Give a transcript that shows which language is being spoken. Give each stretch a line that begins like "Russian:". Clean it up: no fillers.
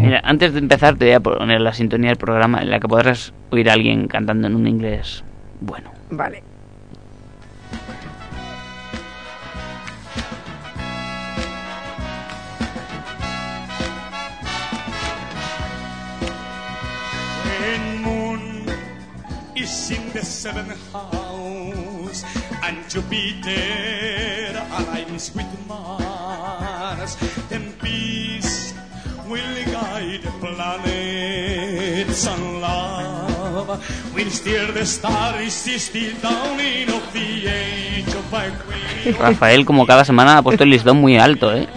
Spanish: Mira, antes de empezar te voy a poner la sintonía del programa en la que podrás oír a alguien cantando en un inglés bueno. Vale.
English: When moon is in the seventh house and Jupiter aligns with Mars, then peace will guide the planets, and love will steer the stars still down in the age of Aquarius.
Spanish: Rafael, como cada semana, ha puesto el listón muy alto, ¿eh?